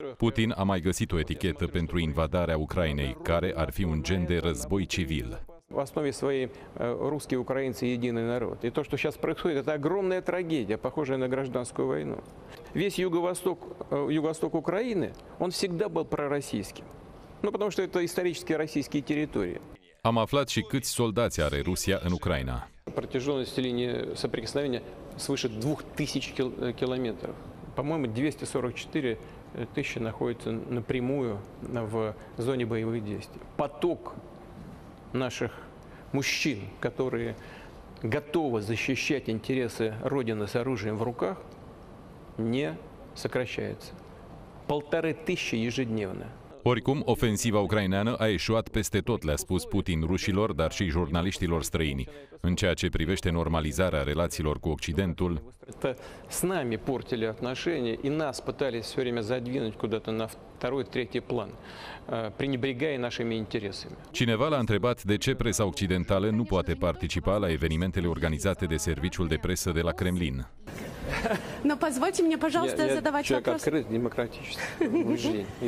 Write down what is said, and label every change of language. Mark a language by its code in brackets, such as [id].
[ro] Путин a mai găsit o etichetă pentru invadarea Ucrainei, care ar fi un gen de război civil. [ru] В основе своей русские украинцы единый народ. И то, что сейчас происходит, это огромная трагедия, похожая на гражданскую войну. Весь юго-восток Украины, он всегда был пророссийским. Ну, потому что это исторически российские территории. [ro] Am aflat și câți soldați are Rusia în Ucraina. [ru] Протяженность линии соприкосновения свыше 2000 километров. По-моему, 244 тысячи находятся напрямую в зоне боевых действий. Поток наших мужчин, которые готовы защищать интересы Родины с оружием в руках, не сокращается. 1500 ежедневно. [ro] Oricum, ofensiva ucraineană a eșuat peste tot, le-a spus Putin rușilor, dar și jurnaliștilor străini. În ceea ce privește normalizarea relațiilor cu Occidentul, [ru] с нами портили отношения и нас пытались все время задвинуть куда-то на второй, третий план, пренебрегая нашими интересами. [ro] Cineva l-a întrebat de ce presa occidentală nu poate participa la evenimentele organizate de serviciul de presă de la Kremlin. [ru] Но позвольте мне, пожалуйста, задавать вопрос. Человек открыт, демократический.